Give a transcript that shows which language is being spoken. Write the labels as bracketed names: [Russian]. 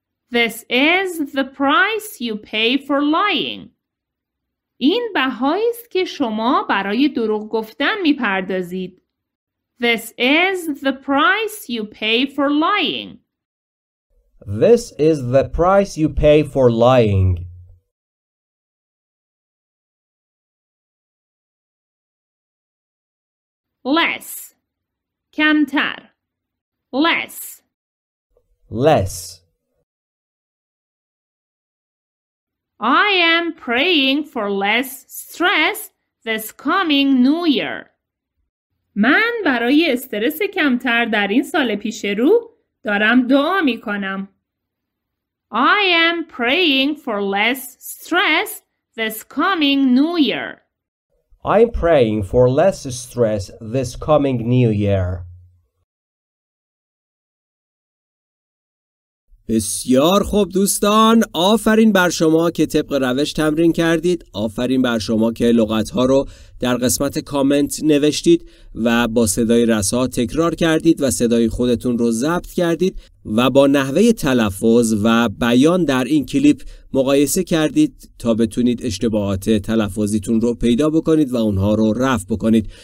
[English] This is the price you pay for lying. [Persian] این بهایی است که شما برای دروغ گفتن می‌پردازید. [English] This is the price you pay for lying. This is the price you pay for lying. Less. کمتر. Less. Less. I am praying for less stress this coming new year. [Persian] من برای استرس کمتر در این سال پیش رو دارم دعا می کنم. [English] I am praying for less stress this coming new year. I'm praying for less stress this coming new year. [Persian] بسیار خوب دوستان، آفرین بر شما که طبق روش تمرین کردید، آفرین بر شما که لغت‌ها رو در قسمت کامنت نوشتید و با صدای رسا تکرار کردید و صدای خودتون رو ضبط کردید و با نحوه تلفظ و بیان در این کلیپ مقایسه کردید تا بتونید اشتباهات تلفظیتون رو پیدا بکنید و اونها رو رفع بکنید.